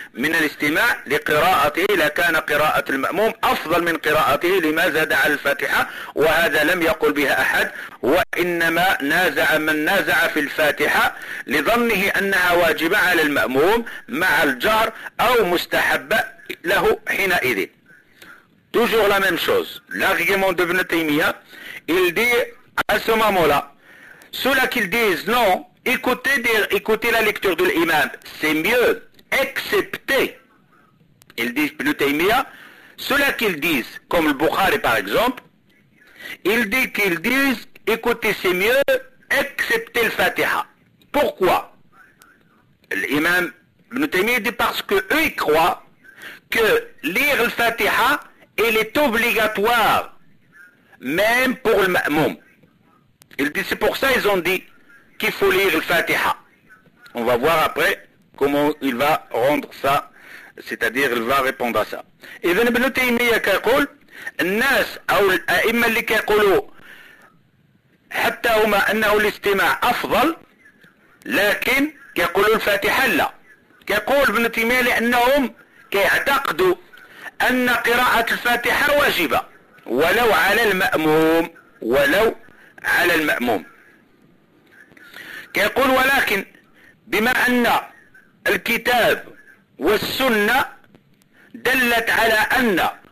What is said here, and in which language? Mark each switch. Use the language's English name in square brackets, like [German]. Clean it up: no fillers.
[Arabic] من الاستماع لقراءته لكان قراءة المأموم أفضل من قراءته لما زاد على الفاتحة، وهذا لم يقل بها أحد، وإنما نازع من نازع في الفاتحة لظنه أنها واجبة على المأموم مع الجهر أو مستحبة له حينئذ. [French] Toujours la même chose. L'argument de Ibn Taymiyyah, il dit à ce moment-là, ceux-là qu'ils disent non, écoutez la lecture de l'imam, c'est mieux, excepté, il dit Ibn Taymiyyah, ceux-là qu'ils disent, comme le Bukhari par exemple, il dit qu'ils disent écoutez, c'est mieux, excepté le Fatiha. Pourquoi? L'imam Ibn Taymiyyah dit parce que eux ils croient que lire le Fatiha, il est obligatoire, même pour le ma'moum. Il dit, c'est pour ça ils ont dit qu'il faut lire le Fatiha. On va voir après comment il va rendre ça, c'est-à-dire il va répondre à ça. [Arabic] Ibn Taymiyyah dit, الناس أو الأئمة اللي كيقولوا حتى هما أنه الاستماع أفضل، لكن كيقولوا الفاتحة لا، كيقول ابن تيمية لأنهم كيعتقدوا أن قراءة الفاتحة واجبة ولو على المأموم، ولو على المأموم كيقول، ولكن بما أن الكتاب والسنة دلت على أن